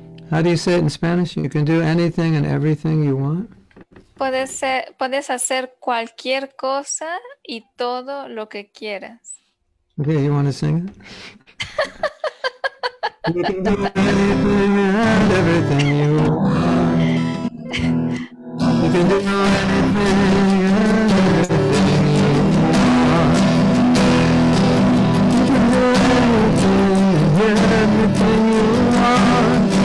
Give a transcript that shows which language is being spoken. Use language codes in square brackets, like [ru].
[en] How do you say it in Spanish? You can do anything and everything you want. [es] Puedes hacer cualquier cosa y todo lo que quieras. [en] Okay, you want to sing it? You can do anything and everything you want. You can do anything and everything you want. You can do anything and everything you want.